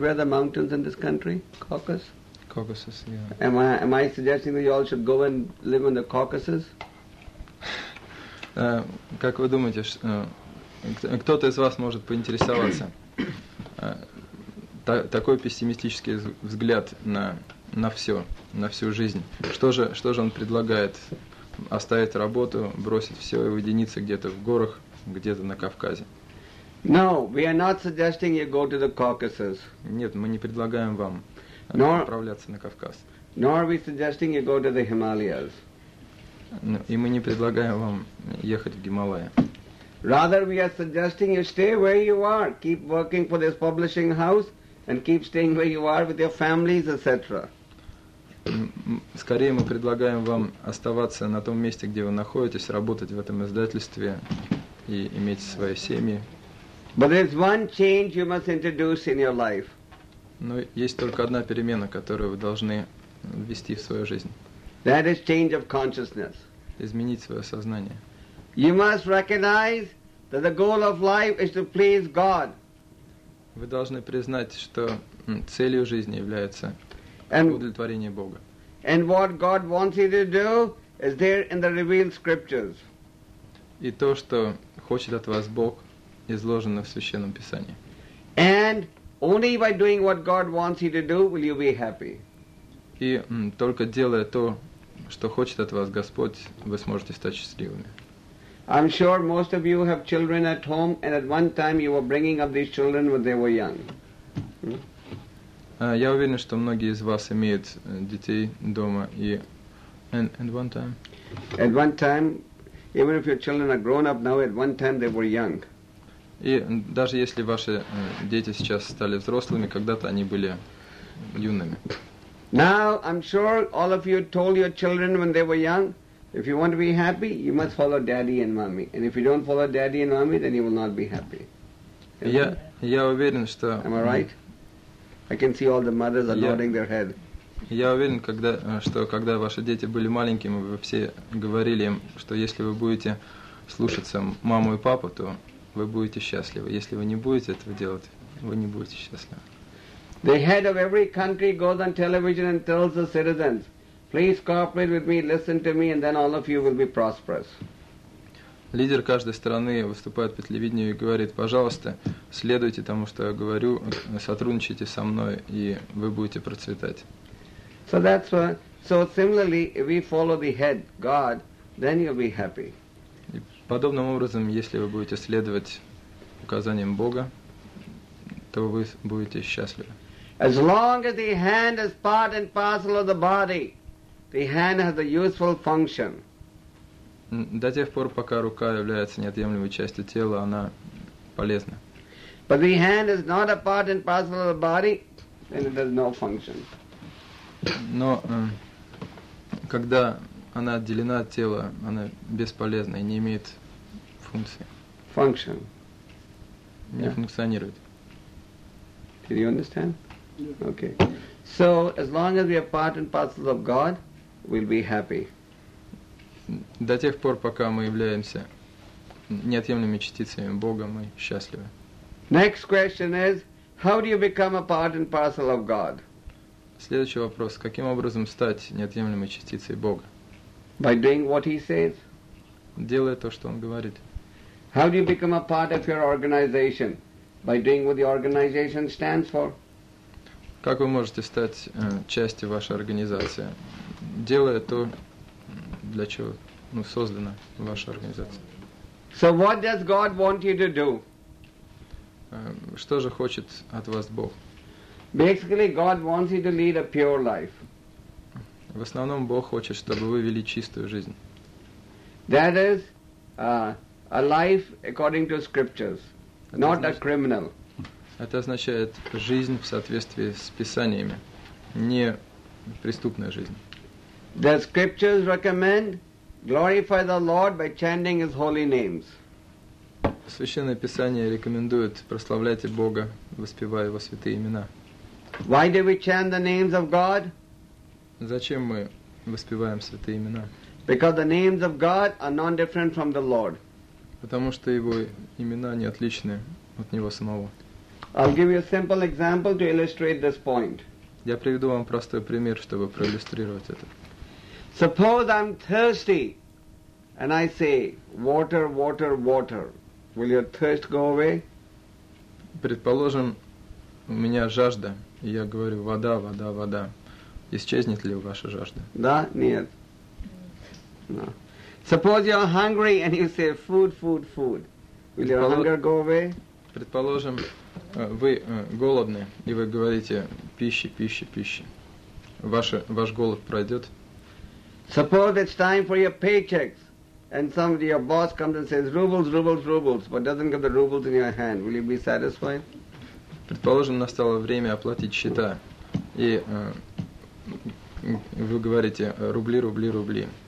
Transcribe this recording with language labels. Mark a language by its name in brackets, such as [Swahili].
[English] Where are the mountains in this country? Caucasus? Caucasus, yeah. Am I suggesting that you all should go and live in the Caucasus? [Russian] Как вы думаете, кто-то из вас может поинтересоваться? Такой пессимистический взгляд на все, на всю жизнь. Что же он предлагает? Оставить работу, бросить все и уединиться где-то в горах, где-то на Кавказе? [English] No, we are not suggesting you go to the Caucasus. [Russian] Нет, мы не предлагаем вам отправляться на Кавказ. [English] Nor are we suggesting you go to the Himalayas. [Russian] И мы не предлагаем вам ехать в Гималаи. [English] Rather, we are suggesting you stay where you are, keep working for this publishing house, and keep staying where you are with your families, etc. [Russian] Скорее мы предлагаем вам оставаться на том месте, где вы находитесь, работать в этом издательстве и иметь свои семьи. [English] But there's one change you must introduce in your life. [Russian] Но есть только одна перемена, которую вы должны ввести в свою жизнь. [English] That is change of consciousness. [Russian] Изменить свое сознание. [English] You must recognize that the goal of life is to please God. [Russian] Вы должны признать, что целью жизни является удовлетворение Бога. [English] And what God wants you to do is there in the revealed scriptures. [Russian] И то, что хочет от вас Бог, изложено в Священном Писании. [English] And only by doing what God wants you to do will you be happy. [Russian] И только делая то, что хочет от вас Господь, вы сможете стать счастливыми. [English] I'm sure most of you have children at home, and at one time you were bringing up these children when they were young. [Russian] Я уверен, что многие из вас имеют детей дома. [English] At one time, even if your children are grown up now, at one time they were young. [Russian] И даже если ваши дети сейчас стали взрослыми, когда-то они были юными. [English] Now, I'm sure all of you told your children when they were young, if you want to be happy, you must follow daddy and mommy. And if you don't follow daddy and mommy, then you will not be happy. [Russian] Я уверен, что... [English] Am I right? I can see all the mothers are nodding their head. [Russian] Я уверен, когда ваши дети были маленькими, вы все говорили им, что если вы будете слушаться маму и папу, то вы будете счастливы. Если вы не будете этого делать, вы не будете счастливы. [English] The head of every country goes on television and tells the citizens, please cooperate with me, listen to me, and then all of you will be prosperous. [Russian] Лидер каждой страны выступает по телевидению и говорит, пожалуйста, следуйте тому, что я говорю, сотрудничайте со мной, и вы будете процветать. [English] So that's why, so similarly, if we follow the head, God, then you'll be happy. [Russian] И подобным образом, если вы будете следовать указаниям Бога, то вы будете счастливы. [English] As long as the hand is part and parcel of the body, the hand has a useful function. [Russian] До тех пор, пока рука является неотъемлемой частью тела, она полезна. [English] But the hand is not a part and parcel of the body, and it has no function. [Russian] Но когда она отделена от тела, она бесполезна и не имеет функции. [English] Function. [Russian] Не функционирует. [English] Did you understand? Okay. So as long as we are part and parcel of God, we'll be happy. [Russian] До тех пор, пока мы являемся неотъемлемыми частицами Бога, мы счастливы. [English] Next question is, how do you become a part and parcel of God? [Russian] Следующий вопрос. Каким образом стать неотъемлемой частицей Бога? [English] By doing what he says. [Russian] Делая то, что он говорит. [English] How do you become a part of your organization? By doing what the organization stands for. [Russian] Как вы можете стать частью вашей организации, делая то, для чего создана ваша организация? [English] So what does God want you to do? [Russian] Что же хочет от вас Бог? [English] Basically, God wants you to lead a pure life. [Russian] В основном Бог хочет, чтобы вы вели чистую жизнь. [English] That is a life according to scriptures, not a criminal. [Russian] Это означает жизнь в соответствии с Писаниями, не преступная жизнь. [English] The scriptures recommend glorify the Lord by chanting His holy names. [Russian] Священное Писание рекомендует прославлять Бога, воспевая Его святые имена. [English] Why do we chant the names of God? [Russian] Зачем мы воспеваем святые имена? [English] Because the names of God are not different from the Lord. [Russian] Потому что Его имена не отличны от Него самого. [English] I'll give you a simple example to illustrate this point. [Russian] Я приведу вам простой пример, чтобы проиллюстрировать это. [English] Suppose I'm thirsty, and I say, "Water, water, water." Will your thirst go away? [Russian] Предположим, у меня жажда, и я говорю: "Вода, вода, вода." Исчезнет ли ваша жажда? Да, нет. [English] No. Suppose you're hungry and you say, "Food, food, food." Will your hunger go away? [Russian] Предположим, вы голодны, и вы говорите: "Пища, пища, пища." Ваш голод пройдет? [English] Suppose it's time for your paychecks, and somebody, your boss, comes and says, "Rubles, rubles, rubles," but doesn't get the rubles in your hand. Will you be satisfied? [Russian] Предположим, настало время оплатить счета, и вы говорите: "Рубли, рубли, рубли."